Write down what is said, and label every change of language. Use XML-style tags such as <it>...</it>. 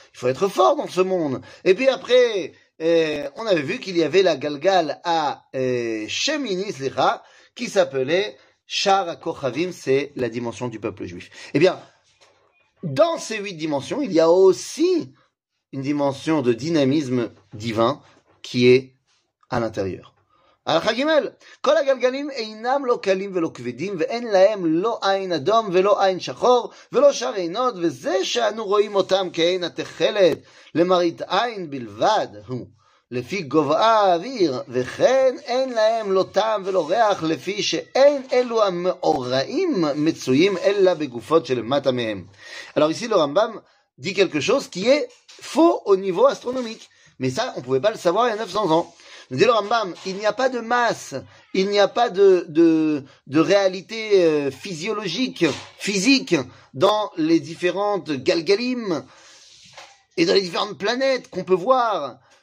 <fr>Il faut être fort dans ce monde. Et puis après, on avait vu qu'il y avait la Galgal à Sheminis Lira, qui s'appelait Shar Kochavim, c'est la dimension du peuple juif. Eh bien, dans ces huit dimensions, il y a aussi une dimension de dynamisme divin qui est à l'intérieur.</fr> <he>Alors, Hagimel, כל הגלגלים אינם לא קלים ולא כבדים, ואין להם לא עין אדום ולא עין שחור ולא שער עינות, וזה שאנו רואים אותם כעין התחלת למראית עין בלבד, לפי גובה האוויר, וכן אין להם לא טעם ולא ריח, לפי שאין אלו המאוראים מצויים אלא בגופות שלמטה מהם.</he> <fr>Alors ici le Rambam dit quelque chose qui est faux au niveau astronomique, mais ça on pouvait pas le savoir il y a 900 ans. Nous dit le Rambam, il n'y a pas de masse, il n'y a pas de réalité physiologique, physique, dans les différentes Galgalim et dans les différentes planètes qu'on peut voir.</fr>